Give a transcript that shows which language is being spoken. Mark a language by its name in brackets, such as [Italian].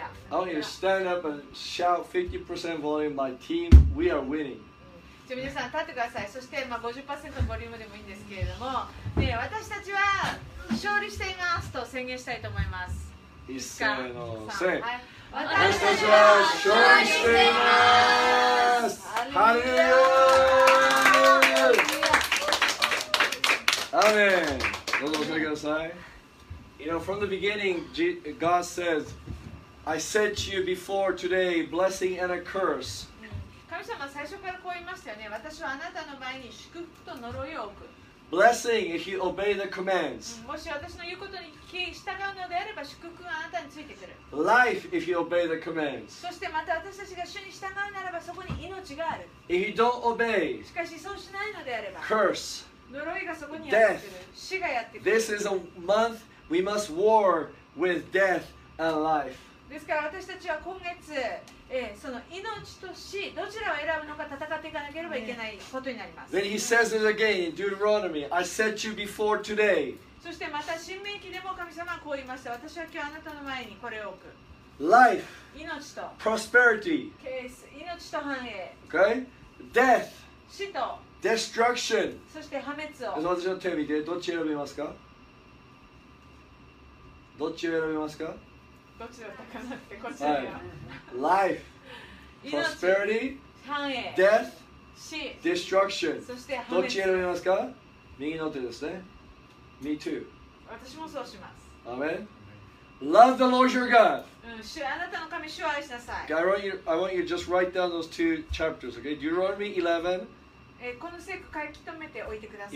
[English] I want you to stand up and shout 50% volume, my team, we are winning. [Japanese] じゃ皆さん立ってください。そして、まあ、50% のボリュームでもいいんですけれども、ね、私たちは勝利していますと宣言したいと思います。一切のせい、はい、私たちは勝利しています。ハレルヤ。アーメン。どうぞお座りください。 [English] You know, from the beginning God says I set you before today blessing and a curse。 [Japanese] 神様は最初からこう言いましたよね。私はあなたの前に祝福と呪いを置く。 [English] Blessing if you obey the commands. [Japanese] もし私の言うことに聞き従うのであれば祝福があなたについてくる。 [English] Life if you obey the commands. [Japanese] そしてまた私たちが主に従うならばそこに命がある。 [English] If you don't obey. [Japanese] しかしそうしないのであれば。 [English] Curse. [Japanese] 呪いがそこにやってくる。 [English] Death. [Japanese] 死がやってくる。 [English] This is a month we must war with death and life. [Japanese] ですから私たちは今月、その命と死どちらを選ぶのか戦っていかなければいけないことになります。 [English] Then he says it again in Deuteronomy. I set you before today. [Japanese] そしてまた新命記でも神様はこう言いました。私は今日あなたの前にこれを置く。 [English] Life. [Japanese] 命と。 [English] Prosperity. [Japanese] 命と繁栄。 [English] Okay. Death. [Japanese] 死と。 Destruction. そして破滅を。私の手を見てどっちを選びますか。どっちを選びますか。どっちだったかなってこっちだよ。 [English] Life, prosperity, [Japanese] 繁栄 [English] death, [Japanese] 死 [English] destruction. [Japanese] そして破滅。どっち選びますか？右の手ですね。 [English] Me too. [Japanese] 私もそうします。 [English] Amen. Love the Lord your God. [Japanese] うん、あなたの神主を愛しなさい。 [English] God, I want you to just write down those two chapters, okay? Deuteronomy 11. [Japanese] この聖句書き留めておいてください。